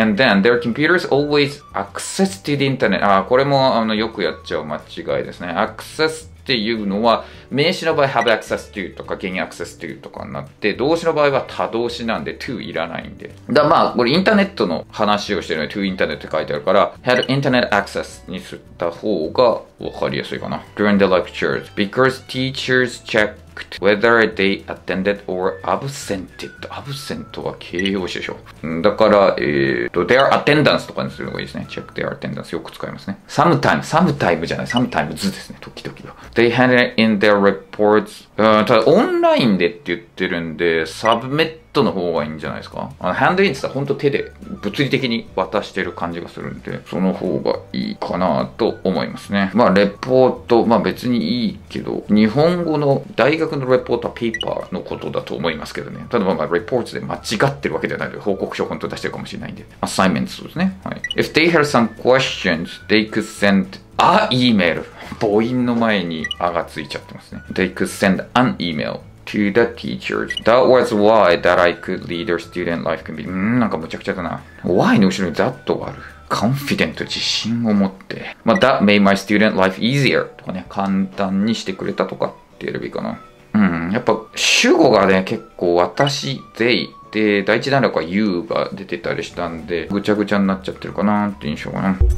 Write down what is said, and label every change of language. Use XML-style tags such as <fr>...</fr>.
<en>And then, their computers always access to the internet.</en> <ja>あ、これもあのよくやっちゃう間違いですね。 accessっていうのは名詞の場合</ja> <en>have access to</en> <ja>とか</ja> <en>gain access to</en> <ja>とかになって、動詞の場合は他動詞なんで to いらないんで。だからまあこれインターネットの話をしてるので to internet って書いてあるから</ja> <en>had internet access</en> <ja>にした方が分かりやすいかな。</ja> <en>during the lectures because teachers checked whether they attended or absented。</en> <ja>absent は形容詞でしょ。だから their attendance とかにするのがいいですね。</ja> <en>check their attendance</en> <ja>よく使いますね。sometime じゃない、 sometimes ですね。時々は</ja> <en>They had it in their reports.</en> <ja>ただ、オンラインでって言ってるんで、サブメットの方がいいんじゃないですか。ハンドインってさ、ほんと手で物理的に渡してる感じがするんで、その方がいいかなと思いますね。まあ、レポート、まあ別にいいけど、日本語の大学のレポートはペーパーのことだと思いますけどね。ただ、まあ、レポートで間違ってるわけじゃないので、報告書ほんと出してるかもしれないんで。アサイメントですね。はい。</ja> <en>If they had some questions, they could send a email.</en> <ja>母音の前にあがついちゃってますね。</ja> <en>They could send an email to the teachers. That was why that I could lead their student life can be.</en> <ja>なんかむちゃくちゃだな。 Why の後ろに that がある。Confident 自信を持って。まあ、</ja> <en>that made my student life easier</en> <ja>とかね、簡単にしてくれたとかって言えばいいかな。やっぱ主語がね、結構私、they。で、第一段落は you が出てたりしたんで、ぐちゃぐちゃになっちゃってるかなって印象かな。</ja>